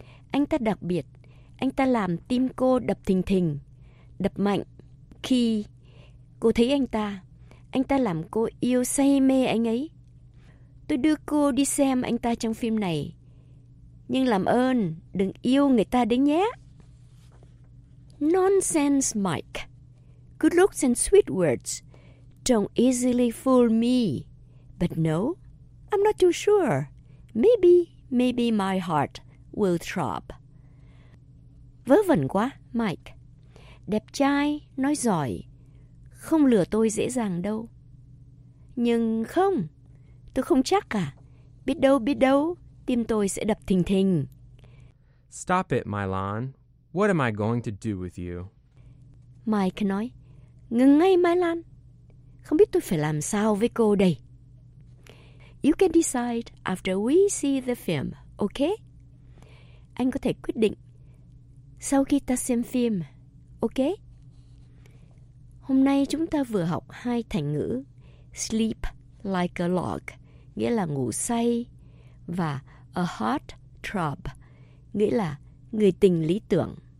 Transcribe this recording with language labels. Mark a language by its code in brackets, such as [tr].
[vi] Anh ta đặc biệt, anh ta làm tim cô đập thình thình, đập mạnh. Khi cô thấy anh ta làm cô yêu say mê anh ấy. Tôi đưa cô đi xem anh ta trong phim này. Nhưng làm ơn, đừng yêu người ta đấy nhé. [en] Nonsense, Mike. Good looks and sweet words don't easily fool me. But no, I'm not too sure. Maybe my heart will throb. [vi] Vớ vẩn quá, Mike. Đẹp trai, nói giỏi, không lừa tôi dễ dàng đâu. Nhưng không, tôi không chắc cả. Biết đâu, tim tôi sẽ đập thình thình. [en] Stop it, Mylan. What am I going to do with you? [vi] Mike nói, ngừng ngay, Mylan. Không biết tôi phải làm sao với cô đây. [en] You can decide after we see the film, okay? [vi] Anh có thể quyết định sau khi ta xem phim. Ok. Hôm nay chúng ta vừa học hai thành ngữ [en] sleep like a log, [vi] nghĩa là ngủ say, và a heartthrob, nghĩa là người tình lý tưởng.